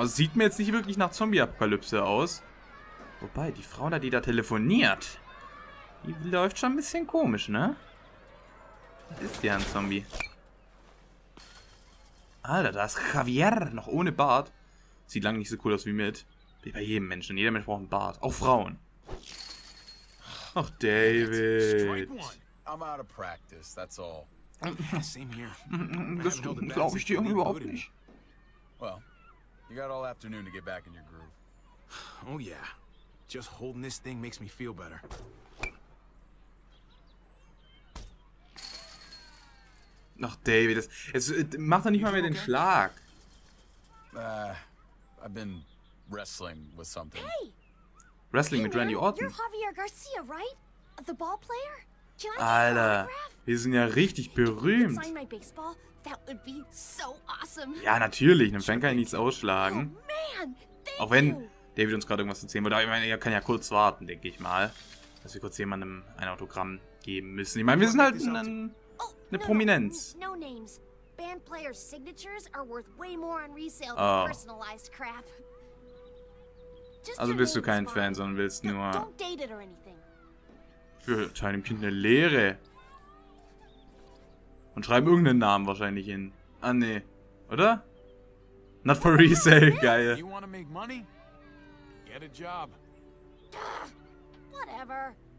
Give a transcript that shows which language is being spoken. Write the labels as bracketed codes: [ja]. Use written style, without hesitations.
[de] Also sieht mir jetzt nicht wirklich nach Zombie-Apokalypse aus. Wobei, die Frau da, die da telefoniert, die läuft schon ein bisschen komisch, ne? Was ist der ein Zombie? Alter, da ist Javier noch ohne Bart. Sieht lange nicht so cool aus wie mit. Wie bei jedem Menschen. Jeder Mensch braucht einen Bart. Auch Frauen. Ach, David. [en] I'm out of practice, that's all. Same here. [de] Das glaube ich dir überhaupt nicht. [en] Well, you got all afternoon to get back in your groove. Oh yeah. Just holding this thing makes me feel better. [de] Ach, David, es macht doch nicht mal mehr den Schlag. [en] I've been wrestling with something. Hey! [de] Wrestling mit Randy Orton? [en] You're Javier Garcia, right? The ball player? Can I get an autograph? [de] Wir sind ja richtig berühmt. [en] Can you sign my baseball? That would be so awesome. [de] Ja, natürlich. Einem Fan kann ich nichts ausschlagen. Auch wenn David uns gerade irgendwas erzählen wollte. Ich meine, er kann ja kurz warten, denke ich mal. Dass wir kurz jemandem ein Autogramm geben müssen. Ich meine, wir sind halt eine Prominenz. [en] No names. band players' signatures are worth way more on resale than personalized crap. [de] Also bist du kein Fan, sondern willst nur für deinem Kind eine Lehre. Und schreib irgendeinen Namen wahrscheinlich hin. Ah, nee. Oder? [en] Not for resale, geil. You want to make money? Get a job. Whatever.